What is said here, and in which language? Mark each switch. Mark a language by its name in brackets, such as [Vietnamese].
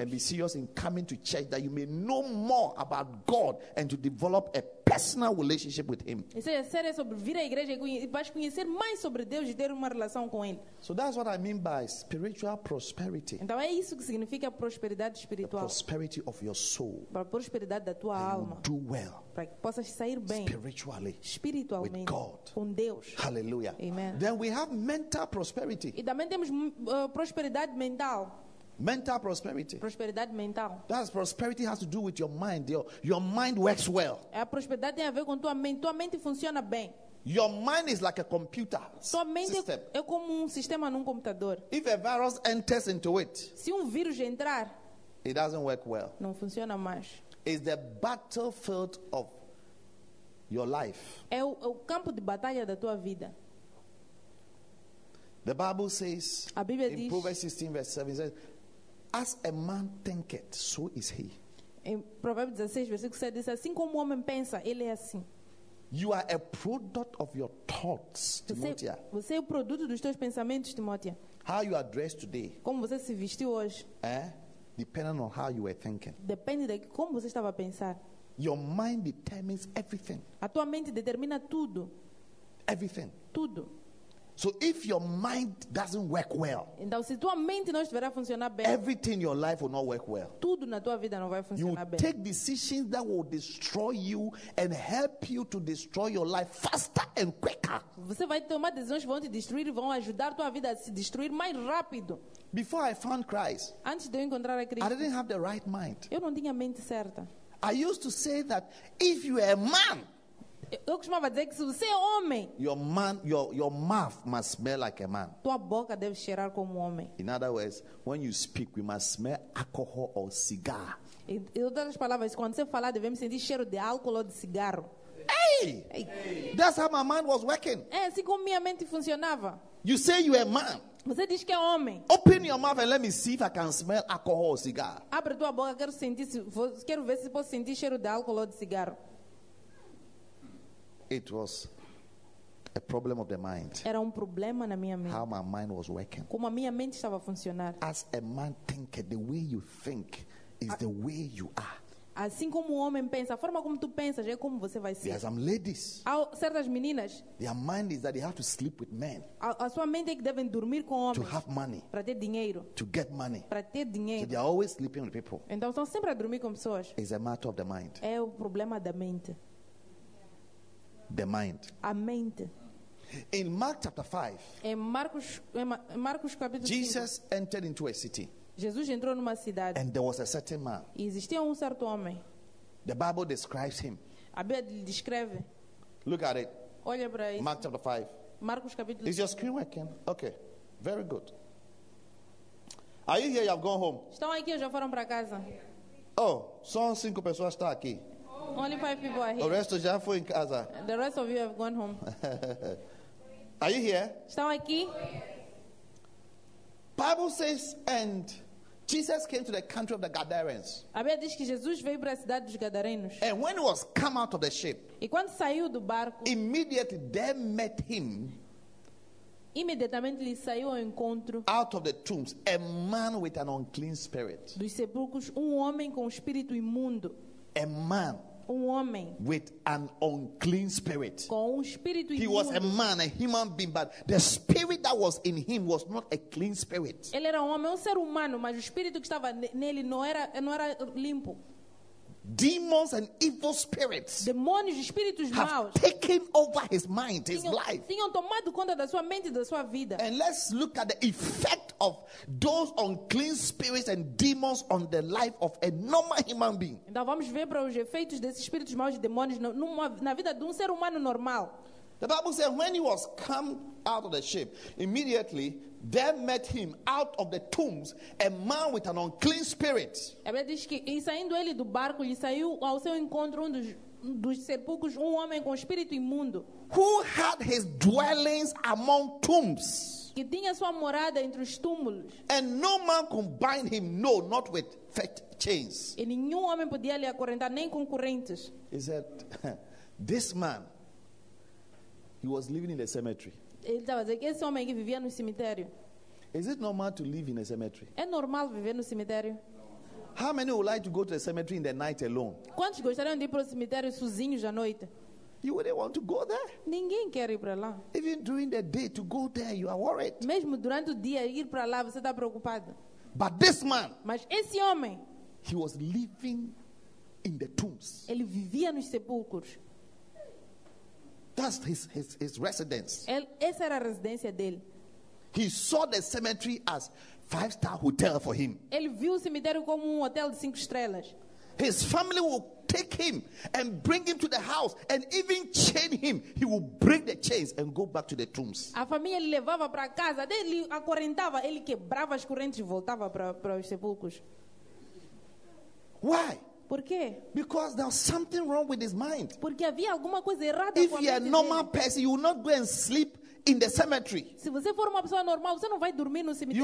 [English] And be serious in coming to church that you may know more about God and to develop a personal relationship with him. [Portuguese] E seja sério sobre vir à igreja e vais conhecer mais sobre Deus e ter uma relação com ele. [English] So that's what I mean by spiritual prosperity. [Portuguese] Então é isso. Isso que significa prosperidade espiritual. [English] The prosperity of your soul. [Portuguese] Para a prosperidade da tua alma. [English] Do well. [Portuguese] Para que possas sair bem. [English] Spiritually. [Portuguese] Espiritualmente. [English] With God. [Portuguese] Com Deus. [English] Hallelujah. [Portuguese] Amen. [English] Then we have mental prosperity. [Portuguese] E também temos prosperidade mental. [English] Mental prosperity. [Portuguese] Prosperidade mental. [English] That prosperity has to do with your mind. Your mind works well. [Portuguese] A prosperidade tem a ver com tua mente. Tua mente funciona bem. [English] Your mind is like a computer. [Portuguese] Sua mente [English] system. [Portuguese] É como sistema num computador. [English] If a virus enters into it, [Portuguese] se vírus entrar, [English] it doesn't work well. [Portuguese] Não funciona mais. [English] It's the battlefield of your life. [Portuguese] É o campo de batalha da tua vida. [English] The Bible says, [Portuguese] a Bíblia [English] in [Portuguese] diz, [English] Proverbs 16, verse 7, it says, as a man thinketh, so is he. [Portuguese] Em Provérbios 16, versículo 7, diz, assim como o homem pensa, ele é assim. [English] You are a product of your thoughts, Timothea. [Portuguese] Você é o produto dos teus pensamentos, Timothea. [English] How you are dressed today? [Portuguese] Como você se vestiu hoje? [English] Eh? Depending on how you were thinking. [Portuguese] Depende de como você estava a pensar. [English] Your mind determines everything. [Portuguese] A tua mente determina tudo. [English] Everything. [Portuguese] Tudo. [English] So if your mind doesn't work well, [Portuguese] então se tua mente não estiver a funcionar bem, [English] everything in your life will not work well. [Portuguese] Tudo na tua vida não vai funcionar [English] you [Portuguese] bem. [English] You take decisions that will destroy you and help you to destroy your life faster and quicker. [Portuguese] Você vai tomar decisões que vão te destruir e vão ajudar tua vida a se destruir mais rápido. [English] Before I found Christ, [Portuguese] antes de eu encontrar a Cristo, [English] I didn't have the right mind. [Portuguese] Eu não tinha a mente certa. [English] I used to say that if you are a man. [Portuguese] Eu costumava dizer que se você é homem, [English] your mouth must smell like a man. [Portuguese] Tua boca deve cheirar como homem. [English] In other words, when you speak, we must smell alcohol or cigar. [Portuguese] Em outras palavras, quando você falar, devemos sentir cheiro de álcool ou de cigarro. [English] Hey! That's how my mind was working. [Portuguese] É assim como minha mente funcionava. [English] You say you are a man. [Portuguese] Você diz que é homem. [English] Open your mouth and let me see if I can smell alcohol or cigar. [Portuguese] Abre tua boca, quero ver se posso sentir cheiro de álcool ou de cigarro. [English] It was a problem of the mind. [Portuguese] Era problema na minha mente. [English] How my mind was working. [Portuguese] Como a minha mente estava a funcionar. [English] As a man thinketh, the way you think is the way you are. [Portuguese] Assim como o homem pensa, a forma como tu pensas é como você vai ser. [English] There are some ladies. [Portuguese] Há certas meninas. [English] Their mind is that they have to sleep with men. [Portuguese] A sua mente é que devem dormir com homens. [English] To have money. [Portuguese] Para ter dinheiro. [English] To get money. [Portuguese] Para ter dinheiro. [English] So they are always sleeping with people. [Portuguese] Então estão sempre a dormir com pessoas. [English] It's a matter of the mind. [Portuguese] É o problema da mente. [English] The mind. [Portuguese] A mente. [English] In Mark chapter 5. [Portuguese] Em Marcos capítulo 5. [English] Jesus entered into a city. [Portuguese] Jesus entrou numa cidade. [English] And there was a certain man. [Portuguese] E existia certo homem. [English] The Bible describes him. [Portuguese] A Bíblia descreve. [English] Look at it. [Portuguese] Olha para isso. [English] Mark chapter 5. [Portuguese] Marcos capítulo [English] 5. Is your screen working? Okay. Very good. Are you here? You have gone home. [Portuguese] Estão aqui ou já foram para casa? Oh, só 5 pessoas estão aqui. [English] Only 5 people are here. The rest of you are in casa. The rest of you have gone home. Are you here? [Portuguese] Estão aqui? [English] Bible says, and Jesus came to the country of the Gadarenes. [Portuguese] A Bíblia diz que Jesus veio para a cidade dos Gadarenos. [English] And when he was come out of the ship, [Portuguese] e quando saiu do barco, [English] immediately they met him. [Portuguese] Imediatamente lhe saiu ao encontro. [English] Out of the tombs, a man with an unclean spirit. [Portuguese] Dos sepulcros, homem com espírito imundo. [English] A man. [Portuguese] Homem. [English] With an unclean spirit. [Portuguese] Com espírito imundo. [English] He was a man, a human being, but the spirit that was in him was not a clean spirit. [Portuguese] Ele era homem, ser humano, mas o espírito que estava nele não era limpo. [English] Demons and evil spirits. [Portuguese] Demônios e espíritos [English] have [Portuguese] maus. [English] Taken over his mind, his life. [Portuguese] Tinham tomado conta da sua mente, da sua vida. [English] And let's look at the effect of those unclean spirits and demons on the life of a normal human being. [Portuguese] Então vamos ver para os efeitos desses espíritos maus e demônios na vida de ser humano normal. [English] The Bible says when he was come out of the ship, immediately there met him out of the tombs a man with an unclean spirit. [Portuguese] A Bíblia diz que saindo ele do barco, lhe saiu ao seu encontro dos sepulcros um homem com espírito imundo. [English] Who had his dwellings among tombs? [Portuguese] Que tinha sua morada entre os túmulos. [English] And no man could bind him, no, not with chains. [Portuguese] E nenhum homem podia lhe acorrentar nem com correntes. [English] He said, this man, he was living in a cemetery. [Portuguese] Ele estava dizendo que esse homem que vivia no cemitério. [English] Is it normal to live in a cemetery? [Portuguese] É normal viver no cemitério? [English] How many would like to go to the cemetery in the night alone? [Portuguese] Quantos gostariam de ir para o cemitério sozinhos à noite? [English] You wouldn't want to go there. [Portuguese] Ninguém quer ir para lá. [English] Even during the day to go there, you are worried. [Portuguese] Mesmo durante o dia ir para lá, você está preocupado. [English] But this man. [Portuguese] Mas esse homem. [English] He was living in the tombs. [Portuguese] Ele vivia nos sepulcros. [English] That's his residence. [Portuguese] Essa era a residência dele. [English] He saw the cemetery as five-star hotel for him. [Portuguese] Ele viu o cemitério como hotel de cinco estrelas. [English] His family will take him and bring him to the house and even chain him. He will break the chains and go back to the tombs. [Portuguese] A família levava para casa, ele acorrentava, ele quebrava as correntes e voltava para os sepulcros. [English] Why? [Portuguese] Por quê? [English] Because there was something wrong with his mind. [Portuguese] Porque havia alguma coisa errada. [English] If you are a normal person, you will not go and sleep in the cemetery. [Portuguese] Se você for uma pessoa normal, você não vai dormir no cemitério.